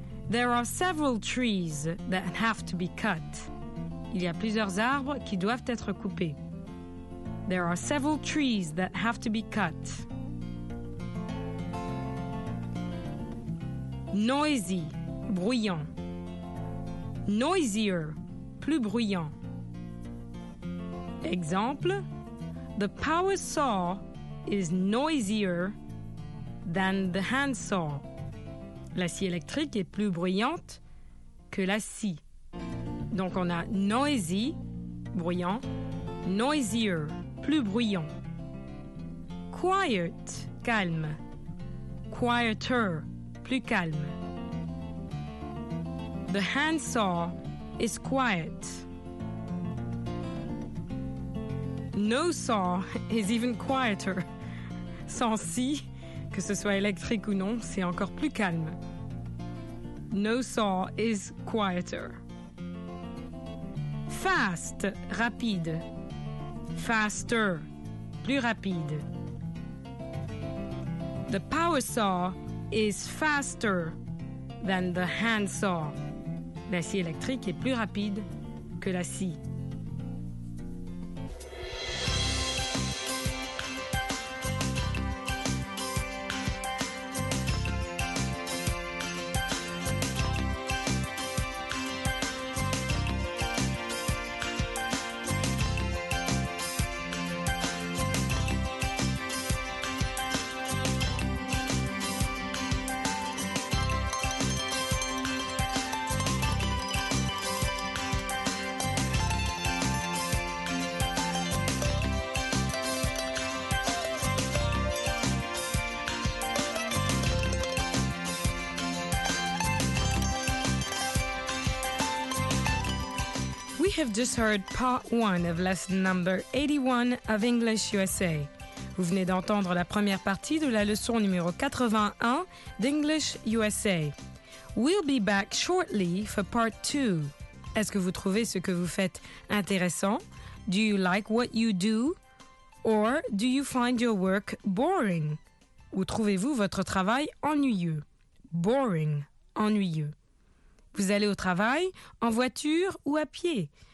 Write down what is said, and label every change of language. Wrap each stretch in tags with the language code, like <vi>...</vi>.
<en>There are several trees that have to be cut.</en> <fr>Il y a plusieurs arbres qui doivent être coupés.</fr> <en>There are several trees that have to be cut.</en> <fr>Noisy, bruyant. Noisier, plus bruyant.</fr> <en>Exemple, the power saw is noisier than the hand saw.</en> <fr>La scie électrique est plus bruyante que la scie. Donc on a noisy, bruyant. Noisier, plus bruyant. Quiet, calme. Quieter, plus calme.</fr> <en>The handsaw is quiet. No saw is even quieter.</en> <fr>Sans scie, que ce soit électrique ou non, c'est encore plus calme.</fr> <en>No saw is quieter. Fast, rapide.</en> <fr>Faster, plus rapide.</fr> <en>The power saw is faster than the hand saw.</en> <fr>La scie électrique est plus rapide que la scie.</fr> <en>We have just heard part one of lesson number 81 of English USA.</en> <fr>Vous venez d'entendre la première partie de la leçon numéro 81 d'English USA.</fr> <en>We'll be back shortly for part two.</en> <fr>Est-ce que vous trouvez ce que vous faites intéressant?</fr> <en>Do you like what you do? Or do you find your work boring?</en> <fr>Ou trouvez-vous votre travail ennuyeux? Boring, ennuyeux. Vous allez au travail en voiture ou à pied?</fr>